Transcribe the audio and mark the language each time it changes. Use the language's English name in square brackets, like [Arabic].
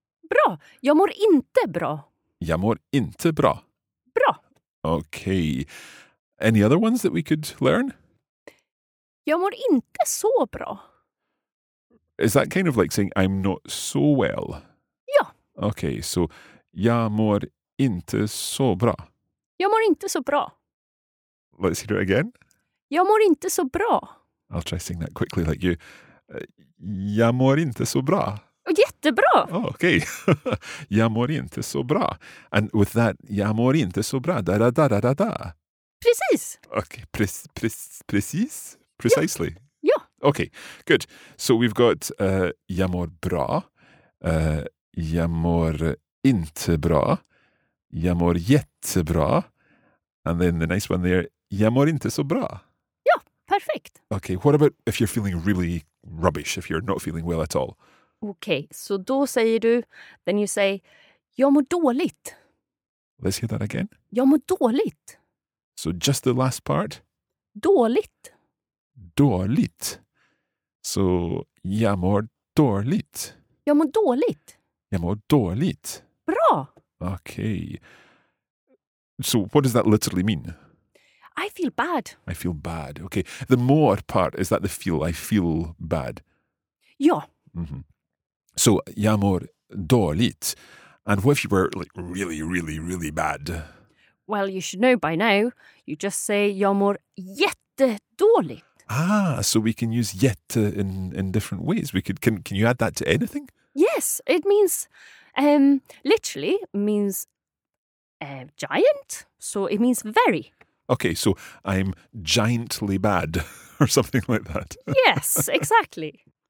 [Swedish] Bra. Jag mår inte bra. Jag mår inte bra. Bra. [English] Okay. Any other ones that we could learn? [Swedish] Jag mår inte så bra. [English] Is that kind of like saying, I'm not so well? Okay, so [Swedish] jag mår inte så bra. Jag mår inte så bra. [English] Let's hear it again. [Swedish] Jag mår inte så bra. [English] I'll try saying that quickly like you. [Swedish] Jag mår inte så bra. Jättebra. [English] Oh, okay. [Swedish] Jag mår inte så bra. [English] And with that, [Swedish] jag mår inte så bra. Da da da da da da. Precis. [English] Okay, precis. Precisely. [Swedish] Ja. [English] Okay, good. So we've got [Swedish] jag mår bra. Jag mår inte bra. Jag mår jättebra. [English] And then the nice one there, [Swedish] jag mår inte så bra. Ja, perfekt. [English] Okay, what about if you're feeling really rubbish, if you're not feeling well at all? [Swedish] Okay, så då säger du, [English] then you say, [Swedish] jag mår dåligt. [English] Let's hear that again. [Swedish] Jag mår dåligt. [English] So just the last part. [Swedish] Dåligt. Dåligt. [English] So [Swedish] jag mår dåligt. Jag mår dåligt. Jag mår dåligt. Bra. [English] Okay. So what does that literally mean? I feel bad. I feel bad. Okay. The mår part, is that the feel? I feel bad. [Swedish] Ja. Mm-hmm. So jag mår dåligt. [English] And what if you were like really, really, really bad? Well, you should know by now. You just say [Swedish] jag mår jättedåligt. [English] Ah, so we can use jätte in different ways. We could can you add that to anything? Yes, it means, literally means giant, so it means very. Okay, so I'm giantly bad, or something like that. Yes, exactly.